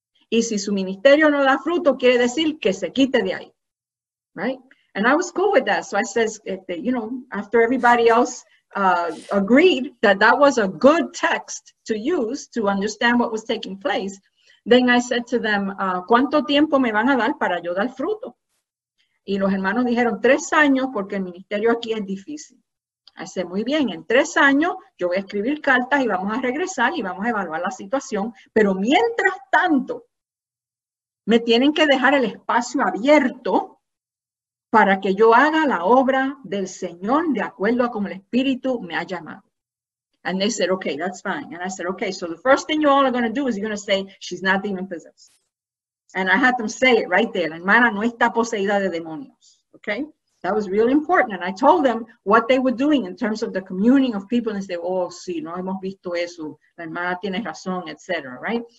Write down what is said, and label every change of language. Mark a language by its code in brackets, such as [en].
[es] Y si su ministerio no da fruto, quiere decir que se quite de ahí. [en] Right? And I was cool with that. So I says, you know, after everybody else agreed that was a good text to use to understand what was taking place, then I said to them, [es] ¿cuánto tiempo me van a dar para yo dar fruto? Y los hermanos dijeron, 3 años, porque el ministerio aquí es difícil. [en] I said, [es] muy bien, en 3 años yo voy a escribir cartas y vamos a regresar y vamos a evaluar la situación. Pero mientras tanto, me tienen que dejar el espacio abierto para que yo haga la obra del Señor de acuerdo a como el Espíritu me ha llamado. [en] And they said, okay, that's fine. And I said, okay, so the first thing you all are going to do is you're going to say, she's not demon possessed. And I had them say it right there. [es] La hermana no está poseída de demonios. [en] Okay? That was really important. And I told them what they were doing in terms of the communing of people. And they said, oh, [es] sí, no hemos visto eso. La hermana tiene razón, etc. [en] Right?